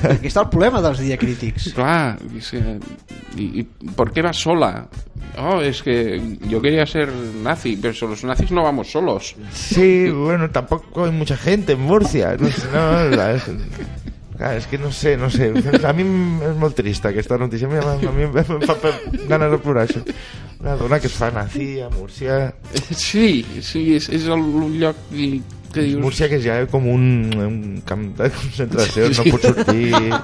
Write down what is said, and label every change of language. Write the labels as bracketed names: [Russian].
[Catalan] Aquí està el problema dels diacrítics. Clar, i per què vas sola? Oh, és que jo [Spanish] quería [Catalan] ser nazi, però els nazis no [Spanish] vamos solos. Sí, bueno, tampoco hay mucha gente en Murcia, no, no, no, no. [Catalan] Clar, és que no sé. A mi és molt trista aquesta notícia. A mi em fa ganes de plorar, això. Una dona que es fa nazi a Múrcia. Sí, sí, és el lloc que dius... Múrcia, que ja és com un camp de concentració, sí. No pot sortir...